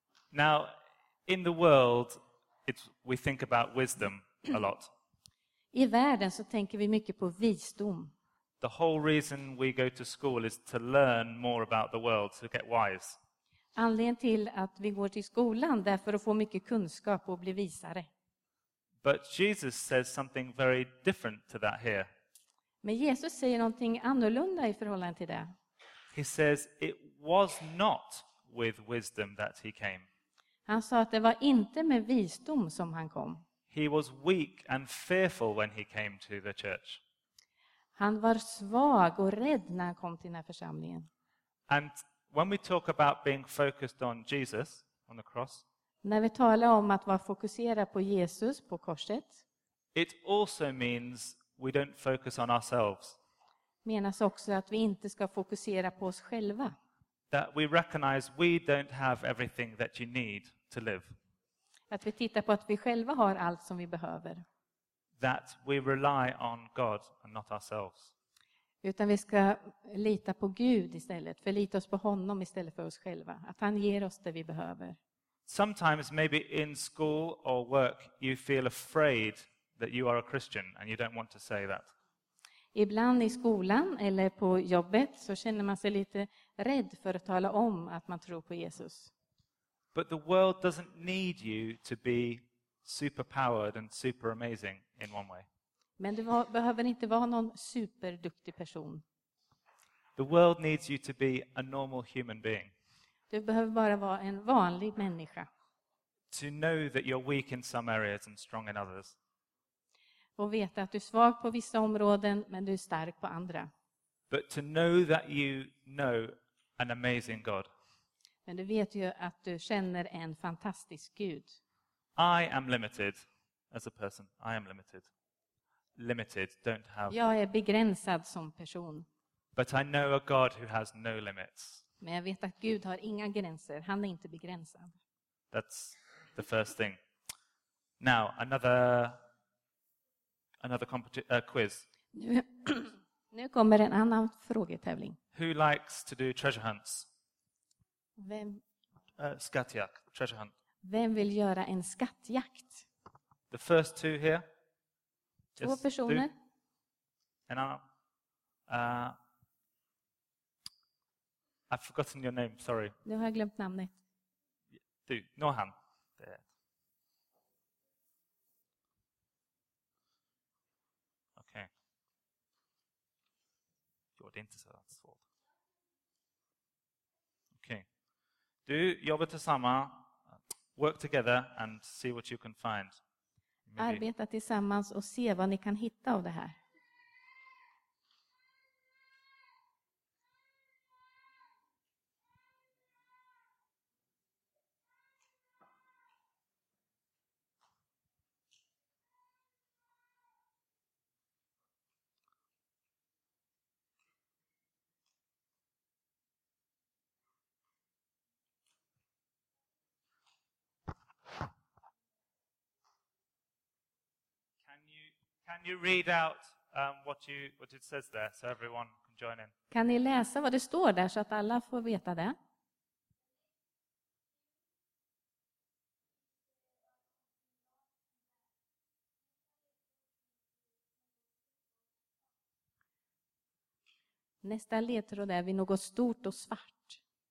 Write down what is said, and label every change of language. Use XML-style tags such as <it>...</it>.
<en>Now, in the world, we think about wisdom a lot.</en> <sv>I världen så tänker vi mycket på visdom.</sv> <en>The whole reason we go to school is to learn more about the world, to get wise.</en> <sv>Anledningen till att vi går till skolan är för att få mycket kunskap och bli visare.</sv> <en>But Jesus says something very different to that here.</en> <sv>Men Jesus säger någonting annorlunda i förhållande till det.</sv> <en>He says it was not with wisdom that he came.</en> <sv>Han sa att det var inte med visdom som han kom.</sv> <en>He was weak and fearful when he came to the church.</en> <sv>Han var svag och rädd när han kom till den här församlingen.</sv> <en>And when we talk about being focused on Jesus on the cross.</en> <sv>När vi talar om att vara fokuserad på Jesus på korset.</sv> <en>It also means we don't focus on ourselves.</en> <sv>Menas också att vi inte ska fokusera på oss själva.</sv> <en>That we recognize we don't have everything that you need to live.</en> <sv>Att vi tittar på att vi själva har allt som vi behöver.</sv> <en>That we rely on God and not ourselves.</en> <sv>Utan vi ska lita på Gud istället, förlita oss på honom istället för oss själva, att han ger oss det vi behöver.</sv> <en>Sometimes maybe in school or work you feel afraid that you are a Christian and you don't want to say that.</en> <sv>Ibland i skolan eller på jobbet så känner man sig lite rädd för att tala om att man tror på Jesus.</sv> <en>But the world doesn't need you to be superpowered and super amazing in one way.</en> <sv>Men du behöver inte vara någon superduktig person.</sv> <en>The world needs you to be a normal human being.</en> <sv>Du behöver bara vara en vanlig människa.</sv> <en>To know that you're weak in some areas and strong in others.</en> <sv>Och veta att du är svag på vissa områden men du är stark på andra.</sv> <en>But to know that you know an amazing God.</en> <sv>Men du vet ju att du känner en fantastisk Gud.</sv> <en>I am limited as a person. I am limited. Limited, don't have.</en> <sv>Jag är begränsad som person.</sv> <en>But I know a God who has no limits.</en> <sv>Men jag vet att Gud har inga gränser. Han är inte begränsad.</sv> <en>That's the first thing. Now, another quiz.</en> <sv>Nu kommer en annan frågetävling.</sv> <en>Who likes to do treasure hunts?</en> <sv>Vem? Skattjakt, treasure hunt. Vem vill göra en skattjakt?</sv> <en>The first two here.</en> <sv>Två yes, personer.</sv> <en>And I've forgotten your name, sorry.</en> <sv>Nu har jag glömt namnet. Du, Nohan. Okej.</sv> <en>Okay.</en> <sv>Jo, det är inte så svårt. Okej.</sv> <en>Okay.</en> <sv>Du jobbar tillsammans.</sv> <en>Work together and see what you can find. Maybe.</en> <sv>Arbeta tillsammans och se vad ni kan hitta av det här.</sv> <en>Can you read out what it says there so everyone can join in?</en> <sv>Kan ni läsa vad det står där så att alla får veta det? Nästa ledtråd är vid något stort och svart.</sv>